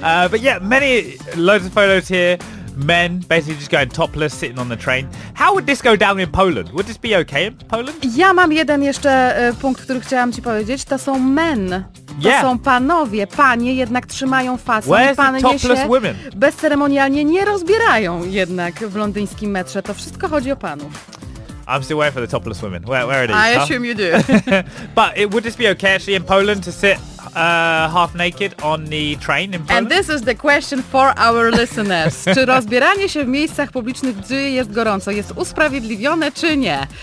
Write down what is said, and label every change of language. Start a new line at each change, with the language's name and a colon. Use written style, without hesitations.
English: But yeah, loads of photos here. Men basically just going topless, sitting on the train. How would this go down in Poland? Would this be okay in Poland?
Polish: Ja mam jeden jeszcze punkt, który chciałam ci powiedzieć. To są men. To
English: yeah.
Polish: są panowie. Panie jednak trzymają fasę. Panie się
English: women?
Polish: Bezceremonialnie nie rozbierają jednak w londyńskim metrze. To wszystko chodzi o panów.
English: I'm still waiting for the topless women. Where it is? I assume you do. But would this be okay actually in Poland to sit half naked on the train in Poland? And this is the question for our listeners.
Polish: Czy rozbieranie się w miejscach publicznych, gdzie jest gorąco, jest usprawiedliwione czy nie?